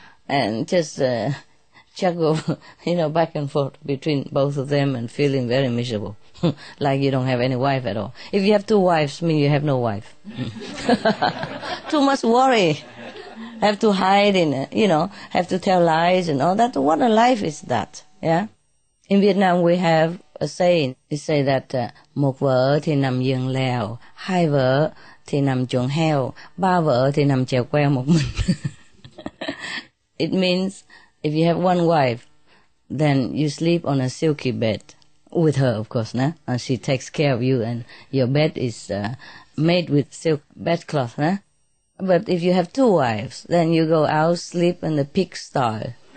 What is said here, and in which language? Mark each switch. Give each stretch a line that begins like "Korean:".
English: And just juggle, you know, back and forth between both of them and feeling very miserable, like you don't have any wife at all. If you have two wives, mean you have no wife. Too much worry. Have to hide in, you know, have to tell lies and all that. What a life is that, yeah? In Vietnam, we have a saying. It say that
Vietnamese: một vợ thì nằm giường lèo, hai vợ thì nằm chuồng heo, ba vợ thì nằm chèo queo một mình.
English: It means if you have one wife, then you sleep on a silky bed with her, of course, na? And she takes care of you, and your bed is made with silk bedcloth, na? But if you have two wives, then you go out sleep in the pig style.